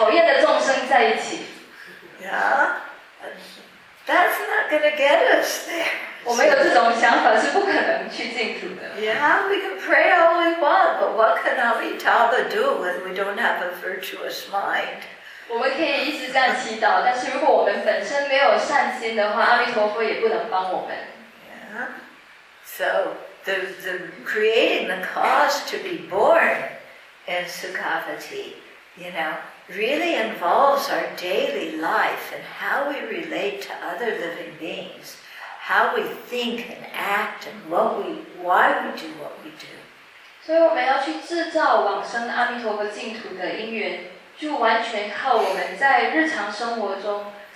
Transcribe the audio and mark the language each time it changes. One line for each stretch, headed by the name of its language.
Chinese: 我要往生净土，因为我不要再跟这些讨厌的众生在一起。
English: Yeah? That's not going to get us there.
Chinese: 我没有这种想法，是不可能去净土的。
English: Yeah, we can pray all we want, but what can Amitabha do when we don't have a virtuous mind?
Chinese: 我们可以一直这样祈祷，但是如果我们本身没有善心的话，阿弥陀佛也不能帮我们。
English: So the creating the cause to be born in Sukhavati, you know, really involves our daily life and how we relate to other living beings, how we think and act and why we do what we do.
Chinese: 所以我们要去制造往生阿弥陀佛净土的因缘，就完全靠我们在日常生活中。